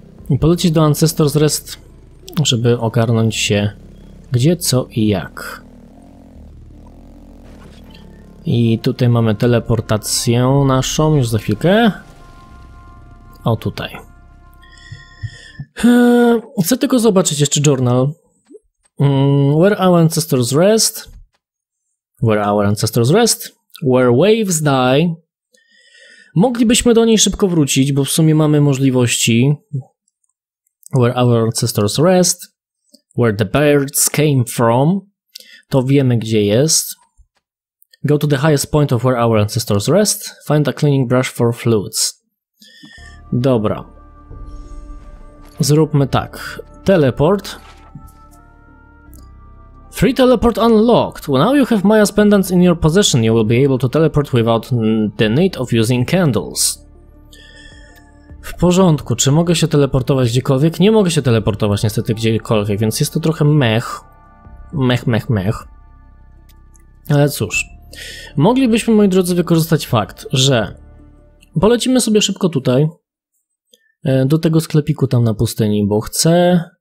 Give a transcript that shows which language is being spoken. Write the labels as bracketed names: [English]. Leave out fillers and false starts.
[Polish] I polecić do Ancestors Rest, żeby ogarnąć się, gdzie, co i jak. I tutaj mamy teleportację naszą, już za chwilkę. O, tutaj. Chcę tylko zobaczyć jeszcze journal. [English] Where our ancestors rest. Where waves die. [Polish] Moglibyśmy do niej szybko wrócić, bo w sumie mamy możliwości. [English] Where our ancestors rest. Where the birds came from. [Polish] To wiemy, gdzie jest. [English] Go to the highest point of where our ancestors rest. Find a cleaning brush for fluids. [Polish] Dobra. Zróbmy tak. Teleport. [English] Free teleport unlocked. Well, now you have Maya's pendants in your possession. You will be able to teleport without the need of using candles. [Polish] W porządku. Czy mogę się teleportować gdziekolwiek? Nie mogę się teleportować niestety gdziekolwiek, więc jest to trochę mech. Mech. Ale cóż. Moglibyśmy, moi drodzy, wykorzystać fakt, że polecimy sobie szybko tutaj, do tego sklepiku tam na pustyni, bo chcę...